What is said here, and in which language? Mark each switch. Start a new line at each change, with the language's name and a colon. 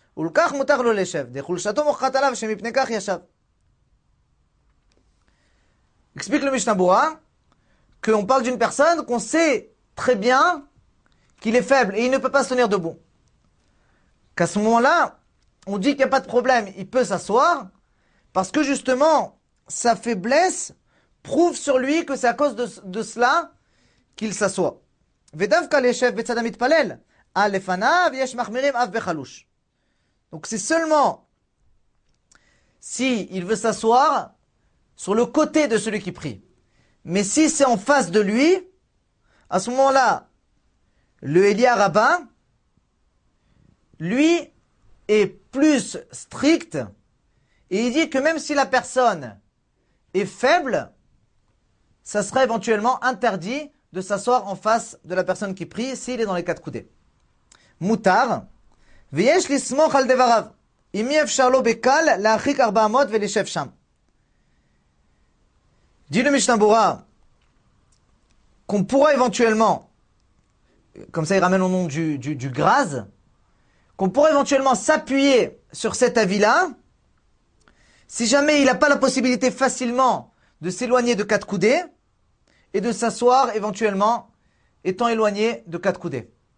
Hebrew: ולכך מותר לו לשב, דחולשתו מוכחת עליו שמפני כך ישב.
French: Explique le Mishnah Berurah qu'on parle d'une personne qu'on sait très bien qu'il est faible et il ne peut pas se tenir debout. Qu'à ce moment-là, on dit qu'il n'y a pas de problème, il peut s'asseoir parce que justement, sa faiblesse prouve sur lui que c'est à cause de cela qu'il s'assoit.
Hebrew: ודווקא לשב בצד המתפלל, על לפניו יש מחמירים אף בחלוש.
French: Donc c'est seulement s'il veut s'asseoir sur le côté de celui qui prie. Mais si c'est en face de lui, à ce moment-là, le Elia Rabbin, lui, est plus strict. Et il dit que même si la personne est faible, ça serait éventuellement interdit de s'asseoir en face de la personne qui prie s'il est dans les quatre coudées. Moutard.
Hebrew: ויש לסמוך על דבריו, אם אפשר לו בקל להרחיק 400 ולשב שם.
French: Dit le Mishnah Berurah, qu'on pourra éventuellement, comme ça il ramène au nom du Graz, qu'on pourra éventuellement s'appuyer sur cet avis-là, si jamais il n'a pas la possibilité facilement de s'éloigner de quatre coudées, et de s'asseoir éventuellement, étant éloigné de quatre coudées.